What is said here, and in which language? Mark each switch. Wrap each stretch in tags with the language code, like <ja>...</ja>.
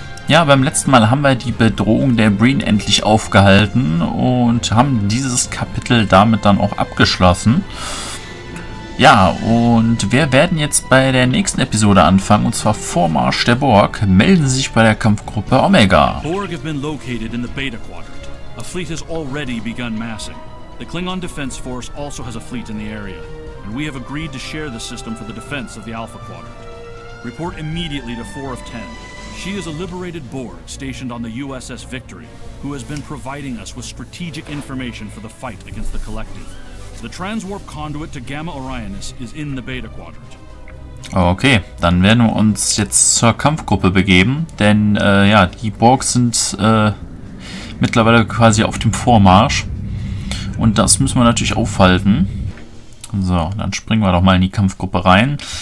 <de>Ja, beim letzten Mal haben wir die Bedrohung der Breen endlich aufgehalten und haben dieses Kapitel damit dann auch abgeschlossen. Ja, und wir werden jetzt bei der nächsten Episode anfangen, und zwar Vormarsch der Borg. Melden Sie sich bei der Kampfgruppe Omega.</de> <en>Borg have been located in the Beta Quadrant. A fleet has already begun massing. The Klingon Defense Force also has a fleet in the area. And we have agreed to share the system for the defense of the Alpha Quadrant. Report immediately to 4 of 10. She is a liberated Borg stationed on the USS Victory, who has been providing us with strategic information for the fight against the Collective. The transwarp conduit to Gamma Orionis is in the Beta Quadrant.</en> <de>Okay, dann werden wir uns jetzt zur Kampfgruppe begeben, denn die Borg sind mittlerweile quasi auf dem Vormarsch. Und das müssen wir natürlich aufhalten. So, dann springen wir doch mal in die Kampfgruppe rein.</de>